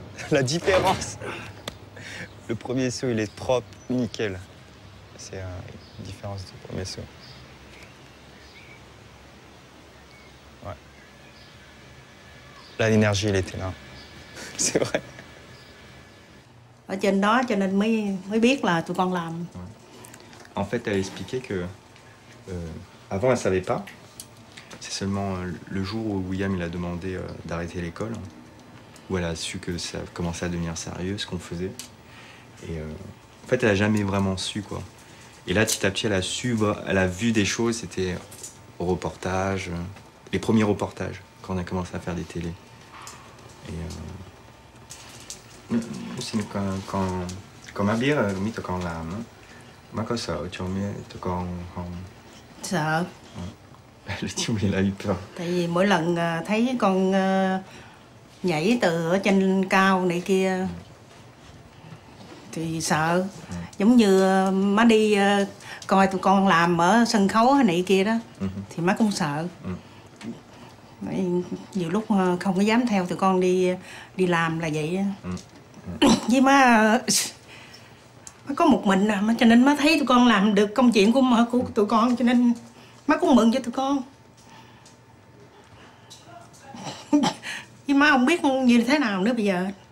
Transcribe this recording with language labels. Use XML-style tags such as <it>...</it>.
<fr>La différence. Le premier saut, il est propre, nickel. C'est la différence du premier saut. Ouais. Là, l'énergie, elle était là. C'est vrai.</fr> <vi>Ở trên đó, cho nên mới biết là tụi con làm.</vi> <fr>En fait, elle expliquait que avant, elle savait pas. C'est seulement le jour où William il a demandé d'arrêter l'école. Où elle a su que ça commençait à devenir sérieux, ce qu'on faisait. Et en fait, elle n'a jamais vraiment su, quoi. Et là, petit à petit, elle a su, elle a vu des choses. C'était au reportage, les premiers reportages, quand on a commencé à faire des télés. Et aussi, quand ma bière, mi to quand l'âme, ma cosa, tu en mets to quand... Ça. Le tu oublies, elle a eu peur.</fr> <vi>Tại vì mỗi lần thấy con... nhảy từ ở trên cao này kia thì sợ giống như má đi coi tụi con làm ở sân khấu này kia đó thì má cũng sợ nhiều lúc không có dám theo tụi con đi làm là vậy với má có một mình mà cho nên má thấy tụi con làm được công chuyện của tụi con cho nên má cũng mừng cho tụi con má không biết như thế nào nữa bây giờ.</vi>